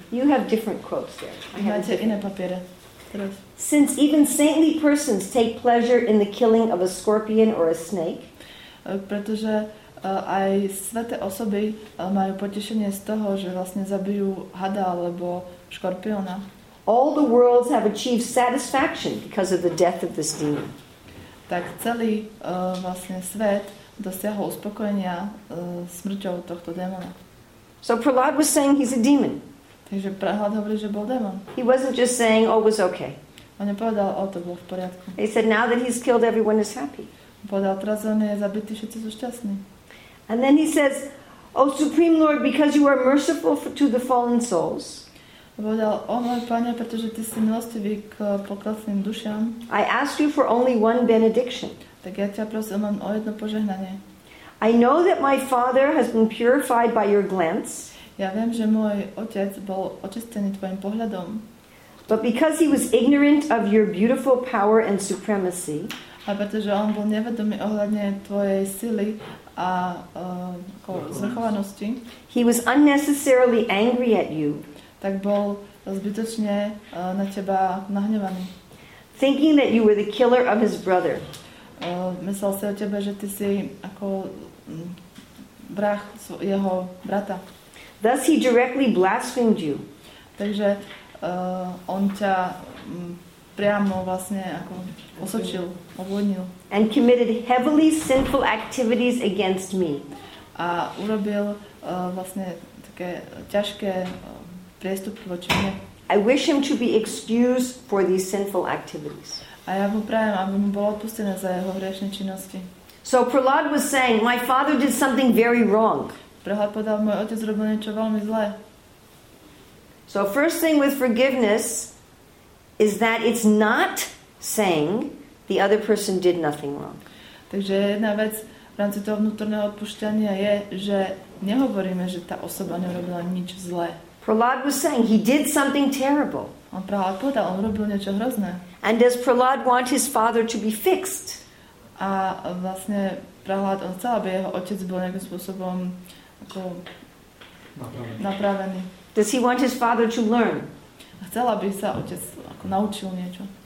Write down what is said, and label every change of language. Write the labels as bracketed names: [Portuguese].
[English] You have different quotes there. [Slovak] Máte iné papiere. Teraz. [English] Since even saintly persons take pleasure in the killing of a scorpion or a snake. [Slovak] Pretože aj sväté osoby majú potešenie z toho, že vlastne zabijú hada alebo škorpiona. [English] All the worlds have achieved satisfaction because of the death of this demon. [Slovak] Tak celý vlastne svet dosiahol uspokojenia smrťou tohto démona. [English] So Prahlad was saying he's a demon. [Slovak] Takže Prahlad hovorí, že bol démon. [English] He wasn't just saying, oh, it was okay. [Slovak] On nepovedal, oh, to bolo v poriadku. [English] He said, now that he's killed, everyone is happy. [Slovak] Povedal, teraz on je zabitý, všetci sú šťastní. [English] And then he says, O Supreme Lord, because you are merciful to the fallen souls, [Slovak] povedal, o môj Pane, pretože ty si milostivý k pokleslým dušiam, [English] I ask you for only one benediction. [Slovak] Tak ja ťa prosím o jedno požehnanie. [English] I know that my father has been purified by your glance. [Slovak] Ja viem, že môj otec bol očistený tvojim pohľadom. [English] But because he was ignorant of your beautiful power and supremacy, [Slovak] a pretože on bol nevedomý ohľadne tvojej sily a zvrchovanosti, [English] he was unnecessarily angry at you, [Slovak] tak bol zbytočne na teba nahnevaný, [English] thinking that you were the killer of his brother. [Slovak] Myslel si o tebe, že ty si ako vrah jeho brata. [English] Thus he directly blasphemed you. [Slovak] Takže on ťa priamo vlastne ako osočil, obvodnil. [English] And committed heavily sinful activities against me. [Slovak] A urobil vlastne také ťažké priestupky voči mne. [English] I wish him to be excused for these sinful activities. [Slovak] A ja mu prajem, aby mu bolo odpustené za jeho hriešne činnosti. [English] So Prahlad was saying, my father did something very wrong. [Slovak] Prahlad povedal, môj otec robil niečo veľmi zlé. [English] So first thing with forgiveness is that it's not saying the other person did nothing wrong. [Slovak] Takže jedna vec v rámci toho vnútorného odpúšťania je, že nehovoríme, že tá osoba nerobila nič zlé. [English] Prahlad was saying he did something terrible. [Slovak] On Prahlad povedal, on robil niečo hrozné. [English] And does Prahlad want his father to be fixed? [Slovak] A vlastne Prahlad, on chcel, aby jeho otec bol nejakým spôsobom ako napravený. [English] Does he want his father to learn? [Slovak] Chcel, aby sa otec ako naučil niečo.